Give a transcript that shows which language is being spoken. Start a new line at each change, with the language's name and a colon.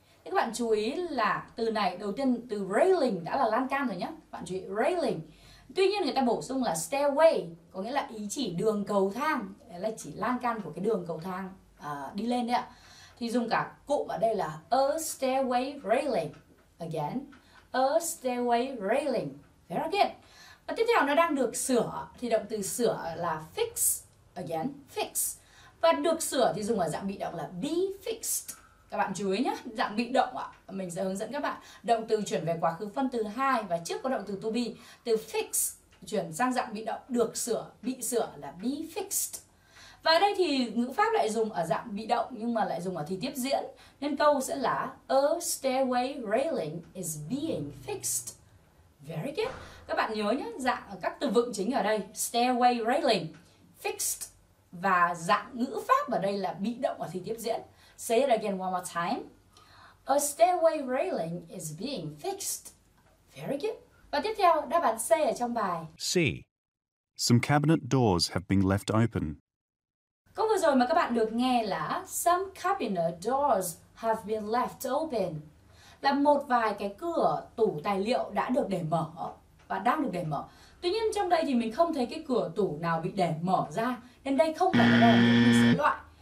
Vietnamese: Thế các bạn chú ý là từ này, đầu tiên từ railing đã là lan can rồi nhé. Các bạn chú ý railing. Tuy nhiên người ta bổ sung là stairway, có nghĩa là ý chỉ đường cầu thang, là chỉ lan can của cái đường cầu thang đi lên đấy ạ. Thì dùng cả cụm ở đây là a stairway railing.
English: Again, a stairway railing. Very good.
Vietnamese: Và tiếp theo nó đang được sửa, thì động từ sửa là fix.
English: Again, fix.
Vietnamese: Và được sửa thì dùng ở dạng bị động là be fixed. Các bạn chú ý nhé, dạng bị động ạ. Mình sẽ hướng dẫn các bạn. Động từ chuyển về quá khứ phân từ 2 và trước có động từ to be. Từ fix chuyển sang dạng bị động được sửa, bị sửa là be fixed. Và ở đây thì ngữ pháp lại dùng ở dạng bị động nhưng mà lại dùng ở thì tiếp diễn. Nên câu sẽ là
English: a stairway railing is being fixed. Very good.
Vietnamese: Các bạn nhớ nhé, dạng các từ vựng chính ở đây, stairway railing, fixed, và dạng ngữ pháp ở đây là bị động ở thì tiếp diễn.
English: Say it again one more time. A stairway railing is being fixed. Very good.
Vietnamese: Và tiếp theo, đáp án C ở trong bài.
English: C. Some cabinet doors have been left open.
Vietnamese: Câu vừa rồi mà các bạn được nghe là
English: some cabinet doors have been left open.
Vietnamese: Là một vài cái cửa tủ tài liệu đã được để mở và đang được để mở. Tuy nhiên trong đây thì mình không thấy cái cửa tủ nào bị để mở ra, nên đây không phải là đề mình sẽ loại.